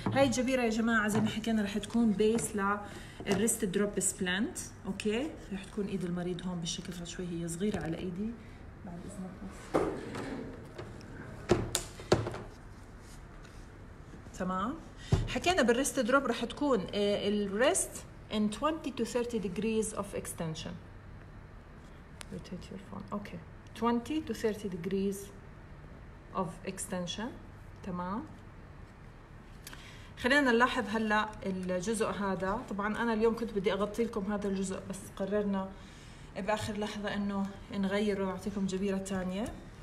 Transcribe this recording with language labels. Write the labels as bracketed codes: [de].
[ar] هاي الجبيره يا جماعه زي ما حكينا رح تكون بيس للريست دروب سبلانت. اوكي رح تكون ايد المريض هون بالشكل هذا، شوي هي صغيره على ايدي بعد اذنكم تمام. حكينا بالريست دروب رح تكون الريست [en] in 20 to 30 degrees of extension. Rotate your phone. Okay. 20 to 30 degrees of extension. [ar] تمام. خلينا نلاحظ هلا الجزء هذا. طبعا انا اليوم كنت بدي اغطي لكم هذا الجزء بس قررنا باخر لحظه انه نغير ونعطيكم جبيره ثانيه.